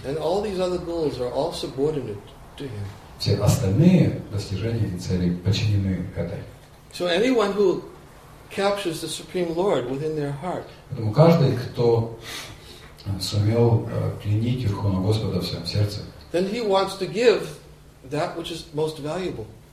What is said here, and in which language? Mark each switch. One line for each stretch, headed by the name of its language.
English: And all these other goals are all subordinate to him.
Russian: Все остальные достижения и цели подчинены этой.
English: So anyone who captures the Supreme Lord within their heart.
Russian: Поэтому каждый, кто сумел пленить Верховного Господа в своем сердце,
English: then he wants to give that which is most valuable.